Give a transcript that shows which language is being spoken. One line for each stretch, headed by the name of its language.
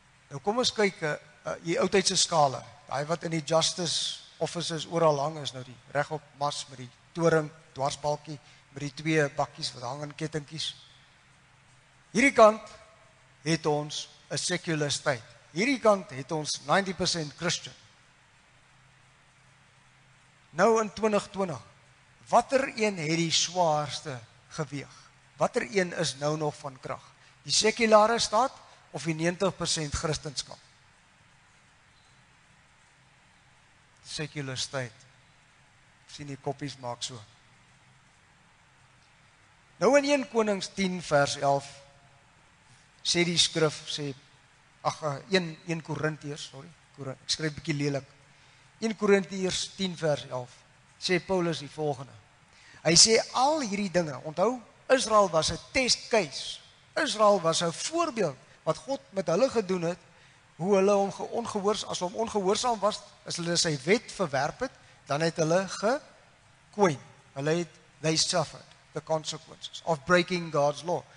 Afrikaans: Nou kom ons kyk, die oudheidse skale, die wat in die justice offices oral hang is, nou die regop mas met die toring, dwarsbalkie, met die twee bakkies wat hang in kettingkies. Hierdie kant het ons 'n secular state. Hierdie kant het ons 90% Christian. Nou in 2020, watter een het die swaarste geweeg? Watter een is nou nog van krag? Die sekulare staat of die 90% Christendom? Secular state. Sien die koppies maak so. Nou in 1 Konings 10 vers 11 sê die skrif, sê, ach, 1 Korintiërs, sorry, ek skryf bietjie lelik. 1 Korintiërs 10 vers 11 sê Paulus die volgende. Hy sê al hierdie dinge, onthou, Israel was 'n test case. Israel was 'n voorbeeld wat God met hulle gedoen het, hoe hulle hom ongehoorsaam, as hulle hom ongehoorsaam was, as hulle sy wet verwerp het, dan het hulle gekwyn. Hulle het,
English: they suffered the consequences of breaking God's law.